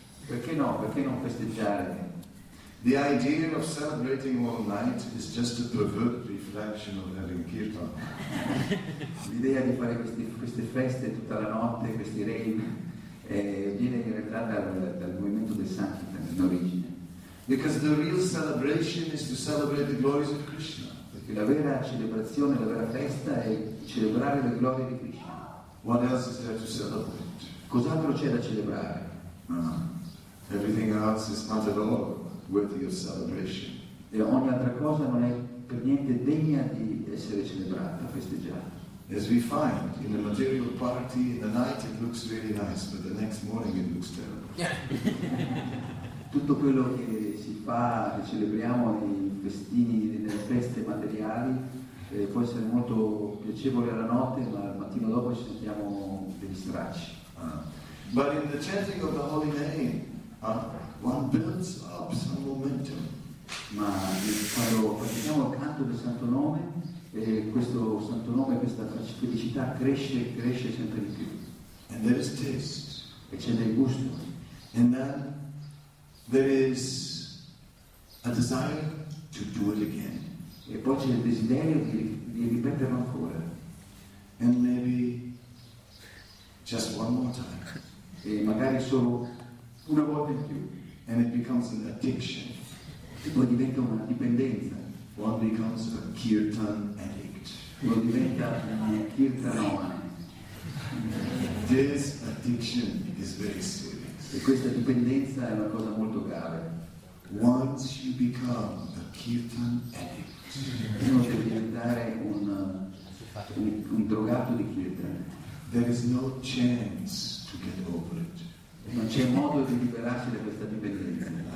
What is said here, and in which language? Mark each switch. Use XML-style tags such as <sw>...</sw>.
<it>Perché non festeggiare?</it> <en>The idea of celebrating all night is just a perverted reflection of having kirtan.</en> <it>L'idea di fare queste feste tutta la notte, questi rave, viene in realtà dal movimento del Sankirtan in origine.</it> <en>Because the real celebration is to celebrate the glories of Krishna.</en> <it>Perché la vera celebrazione, la vera festa è celebrare le glorie di Krishna.</it> <en>What else is there to celebrate?</en> <it>Cos'altro c'è da celebrare?</it> <en>Everything else is not at all worthy of celebration.</en> <it>E ogni altra cosa non è per niente degna di essere celebrata, festeggiata.</it> <en>As we find in the material party, in the night it looks really nice, but the next morning it looks terrible.</en> <it>Tutto quello che si fa, che celebriamo nei festini, nelle feste materiali, può essere molto piacevole alla notte, ma il mattino dopo ci sentiamo degli stracci.</it> <en>But in the chanting of the holy name, one builds up some momentum.</en> <it>Ma quando facciamo il canto del Santo Nome, questo santo nome, questa felicità cresce e cresce sempre di più.</it> <en>And there is taste.</en> <it>E c'è del gusto.</it> <en>And then there is a desire to do it again.</en> <it>E poi c'è il desiderio di ripeterlo ancora.</it> <en>And maybe just one more time.</en> <it>E magari solo una volta in più.</it> <en>And it becomes an addiction.</en> <it>E poi diventa una dipendenza.</it> <en>One becomes a kirtan addict.</en> <it>Uno diventa una kirtanomane.</it> <en>This addiction is very serious.</en> <it>E questa dipendenza è una cosa molto grave.</it> <en>Once you become a kirtan addict,</en> <it>uno deve diventare un drogato di kirtan.</it> <en>There is no chance to get over it.</en> <it>Non c'è modo di liberarsi da questa dipendenza.</it>